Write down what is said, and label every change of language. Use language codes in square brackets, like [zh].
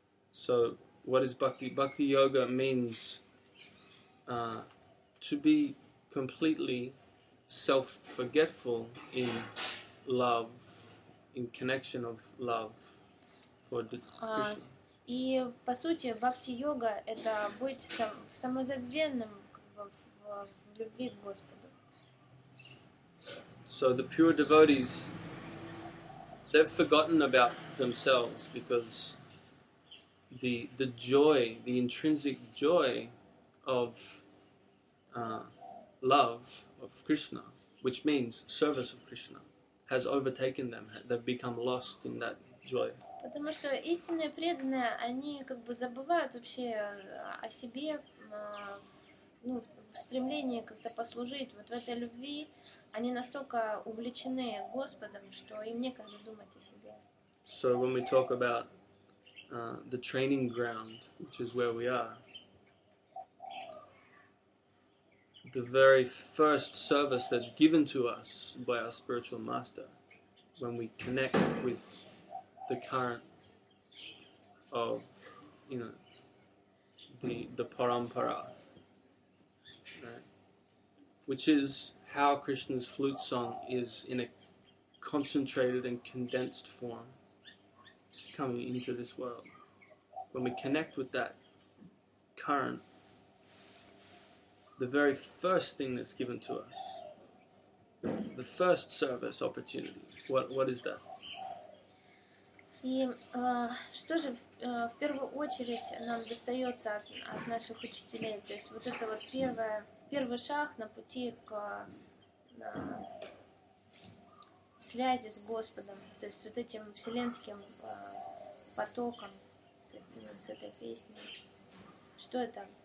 [en] So, what is bhakti? Bhakti-yoga means to be completely self-forgetful in love. In connection of love for the Krishna. [ru] И по сути бхакти-йога это быть самозабвенным в любви к Господу. [en] So the pure devotees, they've forgotten about themselves because the joy, the intrinsic joy of love of Krishna, which means service of Krishna. Has overtaken them. They've become lost in that joy. [ru] Потому что истинные преданные, они как бы забывают вообще о себе, ну, в стремлении как-то послужить. Вот в этой любви они настолько увлечены Господом, что им некогда думать о себе. [en] So when we talk about the training ground, which is where we are, the very first service that's given to us by our spiritual master when we connect with the current of, you know, the parampara, right? Which is how Krishna's flute song is in a concentrated and condensed form coming into this world. When we connect with that current, the very first thing that's given to us, the first service opportunity. What is that? [ru] И что же в первую очередь нам достается от наших учителей, то есть вот это вот первый шаг на пути к связи с Господом, то есть вот этим вселенским потоком с этой песней. Что это?